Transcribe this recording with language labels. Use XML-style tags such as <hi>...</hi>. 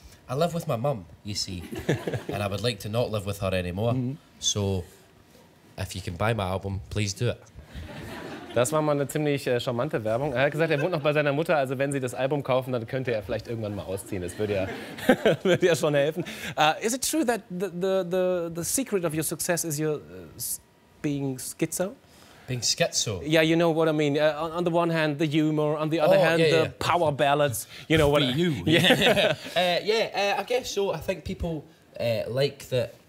<en>I live with my mum, you see, and I would like to not live with her anymore. Mm-hmm. So, if you can buy my album, please do it.</en> <de>Das war mal eine ziemlich charmante Werbung. Er hat gesagt, er wohnt noch bei seiner Mutter. Also wenn Sie das Album kaufen, dann könnte er vielleicht irgendwann mal ausziehen. Das würde ja, würde ja schon helfen.</de> <en>Is it true that the secret of your success is your being schizo? Being schizo. Yeah, you know what I mean. On the one hand, the humor. On the other hand, yeah, the power ballads. You know what? You. I guess so. I think people like that.</en>